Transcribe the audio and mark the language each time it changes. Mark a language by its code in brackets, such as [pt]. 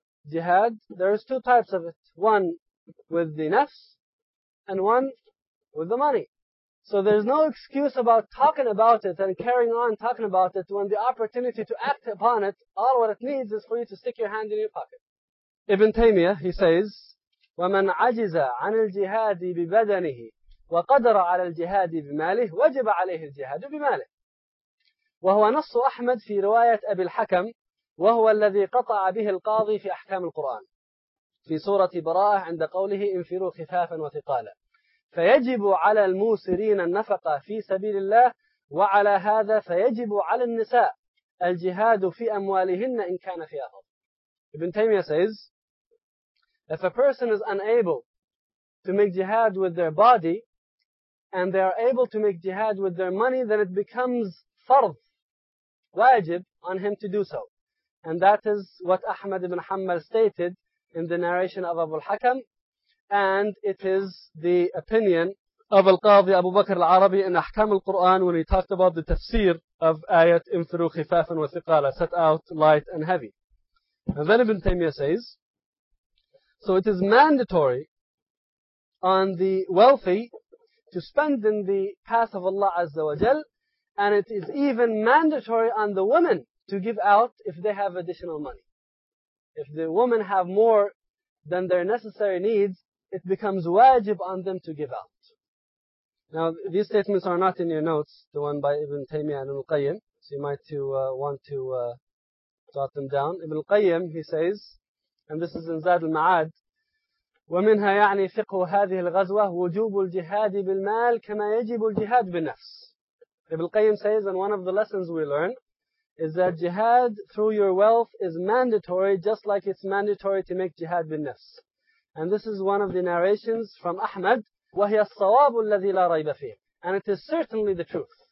[en] Jihad, there is two types of it. One with the nafs and one with the money. So there's no excuse about talking about it and carrying on talking about it when the opportunity to act upon it, all what it needs is for you to stick your hand in your pocket. Ibn Taymiyyah, he says, [ar] وَمَنْ عَجِزَ عَنِ الْجِهَادِ بِبَدَنِهِ وَقَدَرَ عَلَى الْجِهَادِ بِمَالِهِ وَجِبَ عَلَيْهِ الْجِهَادُ بِمَالِهِ. وَهُوَ نَصُّ أَحْمَدْ فِي رِوَايَةِ أَبِي الْحَكَمْ وَهُوَ الَّذِي قَطَعَ بِهِ الْقَاضِي فِي أَحْكَامِ الْقُرْآنِ فِي سُورَةِ بَرَاءَةٍ عِنْدَ قَوْلِهِ إِنْفِرُوا خِفَافًا وَثِقَالًا فيجب على الموسرين النفقة في سبيل الله وعلى هذا فيجب على النساء الجهاد في أموالهن إن كان في أهل. [en] Ibn Taymiyyah says, if a person is unable to make jihad with their body and they are able to make jihad with their money, then it becomes fard, wajib on him to do so. And that is what Ahmad ibn Hanbal stated in the narration of Abu al-Hakam. And it is the opinion of Al-Qadhi Abu Bakr Al-Arabi in Ahkam Al-Qur'an when he talked about the tafsir of ayat Infiru Khifafan wa Thiqala, set out light and heavy. And then Ibn Taymiyyah says, so it is mandatory on the wealthy to spend in the path of Allah Azza wa Jal, and it is even mandatory on the women to give out if they have additional money. If the women have more than their necessary needs, it becomes wajib on them to give out. Now, these statements are not in your notes, the one by Ibn Taymiyyah and Ibn Al-Qayyim, so you might want to jot them down. Ibn Al-Qayyim, he says, and this is in Zad al-Ma'ad, [ar] وَمِنْهَا يَعْنِي فِقْهُ هَذِهِ الْغَزْوَةِ وُجُوبُ الْجِهَادِ بِالْمَالِ كَمَا يَجِبُ الْجِهَادِ بِالنَّفْسِ. [en] Ibn Al-Qayyim says, and one of the lessons we learn, is that jihad through your wealth is mandatory, just like it's mandatory to make jihad bil-nafs. And this is one of the narrations from Ahmad, [ar] وَهِيَ الصَّوَابُ الَّذِي لَا رَيْبَ فِيهِ. [en] And it is certainly the truth.